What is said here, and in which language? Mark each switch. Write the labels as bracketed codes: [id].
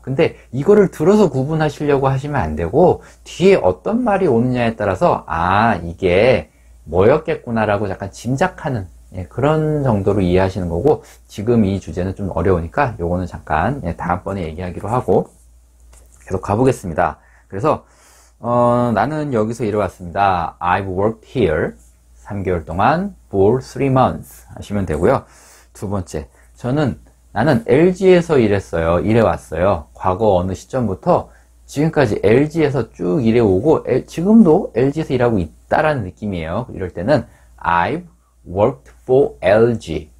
[ko] 근데 이거를 들어서 구분하시려고 하시면 안 되고, 뒤에 어떤 말이 오느냐에 따라서 아, 이게 뭐였겠구나라고 약간 짐작하는, 예, 그런 정도로 이해하시는 거고, 지금 이 주제는 좀 어려우니까 요거는 잠깐, 예, 다음번에 얘기하기로 하고 계속 가보겠습니다. 그래서 나는 여기서 일해왔습니다. [en] I've worked here [ko] 3개월 동안, [en] for 3 months [ko] 하시면 되고요. 두 번째, 나는 LG에서 일했어요. 일해왔어요. 과거 어느 시점부터 지금까지 LG에서 쭉 일해오고, 지금도 LG에서 일하고 있다라는 느낌이에요. 이럴 때는 [en] I've worked for LG.